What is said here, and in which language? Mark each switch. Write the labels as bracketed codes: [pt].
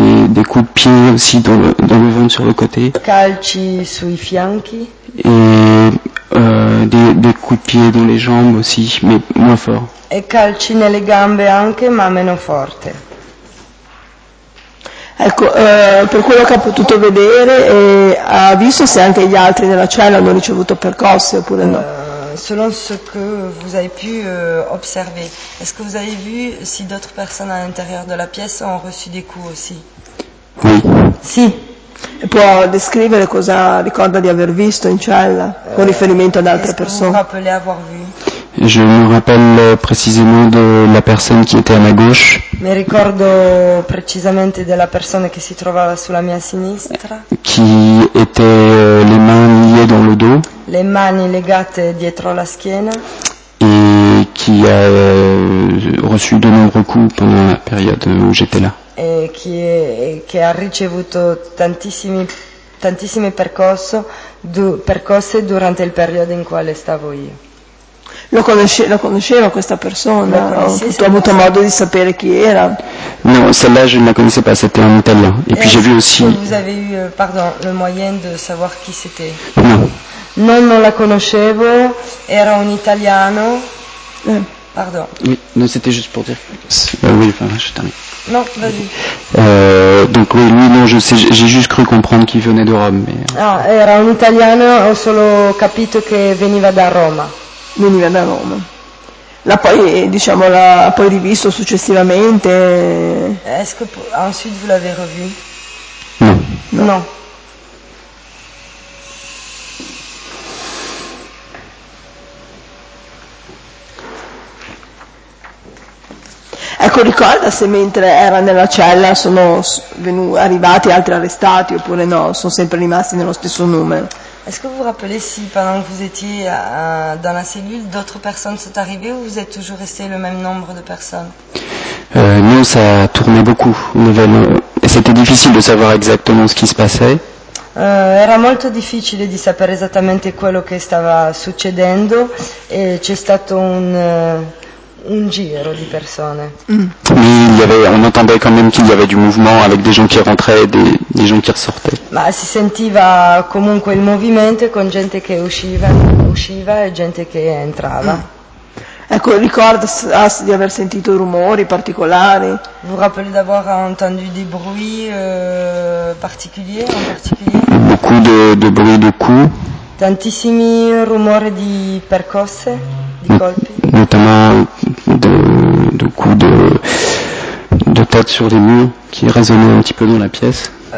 [fr] Des coups de pied aussi dans le ventre sur le côté. [it] Calci sui fianchi. [fr] Et des coups de pied dans les jambes aussi, mais moins fort. [it] E calci nelle gambe anche, ma meno forte. Ecco, per quello che ha potuto vedere, ha visto se anche gli altri della cella hanno ricevuto percosse oppure no? [fr] Selon ce que vous avez pu observer, est-ce que vous avez vu si d'autres personnes à l'intérieur de la pièce ont reçu des coups aussi? Oui. [it] Si. Può descrivere cosa ricorda di aver visto in cella con riferimento ad altre persone? [fr] Vous rappelez avoir vu? Je me rappelle précisément de la personne qui était à ma gauche. [it] Mi ricordo precisamente della persona che si trovava sulla mia sinistra. [fr] Qui était les mains liées dans le dos. [it] Le mani legate dietro la schiena. [fr] Et qui a reçu de nombreux coups pendant la période où j'étais là. [it] E che ha ricevuto tantissime percosse durante il periodo in quale stavo io. Lo conosceva questa persona? Tu hai avuto modo di sapere chi era? [fr] No, celle-là je ne la connaissais pas, c'était un italien. Et puis j'ai vu aussi. Vous avez eu, pardon, le moyen de savoir qui c'était? Non. [it] Non la conoscevo, era un italiano. [fr] Pardon. Oui, non, c'était juste pour dire. Oui, enfin, je termine. Non, vas-y. Donc oui, lui, non, j'ai juste cru comprendre qu'il venait de Rome. Mais... [it] Ah, era un italiano, ho solo capito che veniva da Roma. Veniva da Roma. L'ha poi, diciamo, l'ha poi rivisto successivamente. [fr] Est-ce que ensuite vous l'avez revu? Non. [it] Ecco, ricorda se mentre era nella cella sono arrivati altri arrestati oppure no, sono sempre rimasti nello stesso numero. [fr] Est-ce que vous vous rappelez si pendant que vous étiez dans la cellule, d'autres personnes sont arrivées ou vous êtes toujours resté le même nombre de personnes? Nous, ça tournait beaucoup. Et c'était difficile de savoir exactement ce qui se passait. [it] Era molto difficile di sapere esattamente quello che stava succedendo e c'è stato un giro di persone. [fr] Mais il y avait, on entendait quand même qu'il y avait du mouvement avec des gens qui rentraient et des gens qui ressortaient. [it] Ma si sentiva comunque il movimento con gente che usciva e gente che entrava. Ecco, ricordo di aver sentito rumori particolari. [fr] Vous rappelez d'avoir entendu des bruits particuliers, en particulier? Beaucoup de bruits de coups. [it] Tantissimi rumori di percosse, di colpi. [fr] Notamment de coups de tête sur les murs qui résonnaient un petit peu dans la pièce.